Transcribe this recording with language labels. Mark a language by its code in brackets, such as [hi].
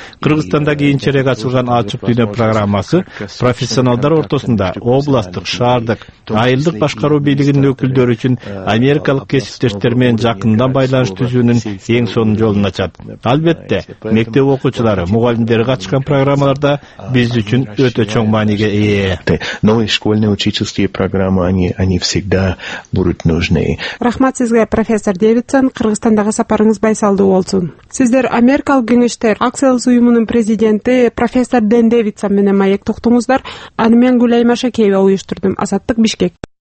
[ky] Кыргызстанда кийинчерээк ачылган ачык дүйнө программасы профессионалдар ортосунда областтык, шаардык, айылдык башкаруу бийлигинин өкүлдөрү үчүн америкалык кесиптештер менен жакындан байланыш түзүүнүн эң сонун жолун ачат. Албетте, мектеп окуучулары, мугалимдери катышкан программаларда биз үчүн өтө чоң мааниге ээ. [ru] Новые школьные учительские программы, они всегда будут нужны. [ky] Рахмат сизге, профессор Дэвидсон, Кыргызстандагы сапарыңыз байсалдуу болсун. Сиздер Америкалык кеңештер акциялык уюмунун президенти профессор Дэн Дэвидсон менен маек токтоңуздар. Аны мен Гүлайма Шакеева уюштурдум. Азаттык Бишкек.